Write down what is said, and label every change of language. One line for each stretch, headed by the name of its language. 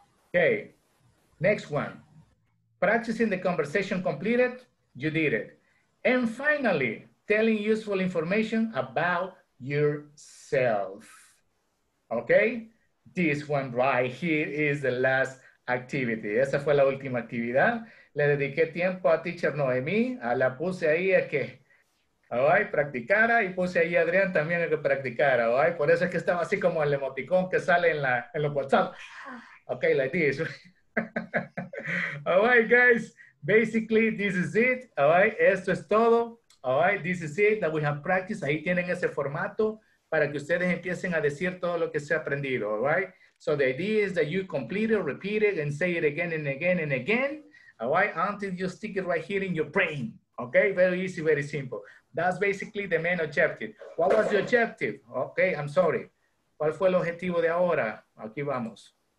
English: Okay, next one. Practicing the conversation completed, you did it. And finally, telling useful information about yourself. Okay, this one right here is the last activity.
Spanish: Esa fue la última actividad. Le dediqué tiempo a teacher Noemi, a la puse ahí a que all right, practicara, y puse ahí a Adrián también a que practicara, all right? Por eso es que estaba así como el emoticón que sale en, en los WhatsApp.
English: Okay, like this. All right, guys, basically, this is it, all right? Esto es todo, all right? This is it that we have practiced.
Spanish: Ahí tienen ese formato para que ustedes empiecen a decir todo lo que se ha aprendido, all right?
English: So the idea is that you complete it, repeat it, and say it again and again and again, all right? Until you stick it right here in your brain, okay? Very easy, very simple. That's basically the main objective.
Spanish: What was the objective? Okay, I'm sorry. ¿Cuál fue el objetivo de ahora? Aquí vamos.